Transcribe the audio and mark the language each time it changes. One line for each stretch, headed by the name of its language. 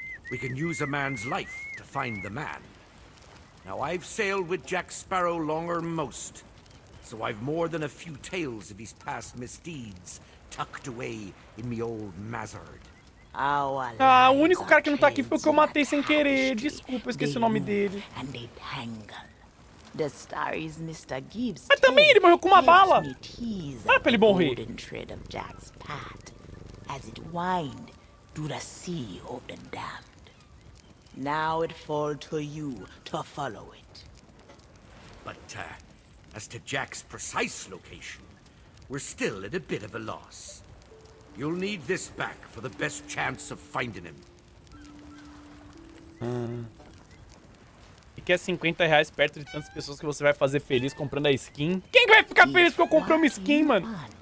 English: We can use a man's life to find the man. Now I've sailed with Jack Sparrow longer than most, so I've more than a few tales of his past misdeeds tucked away in me old mazard.
Portuguese: Ah, o único cara que não tá aqui foi o que eu matei sem querer. Desculpa, eu esqueci o nome dele.
English: And they tangle. The star is Mr. Gibbs.
Portuguese: Mas também ele morreu com uma bala. Ah, pra ele morrer.
English: The thread of Jack's path as it wind through the sea of the dam. Now it falls to you to follow it. But as to Jack's precise location, we're still at a bit of a loss. You'll need this back for the best chance of finding him.
Portuguese: E quer R$50 perto de tantas pessoas que você vai fazer feliz comprando a skin? Quem vai ficar feliz porque eu comprei uma skin, mano?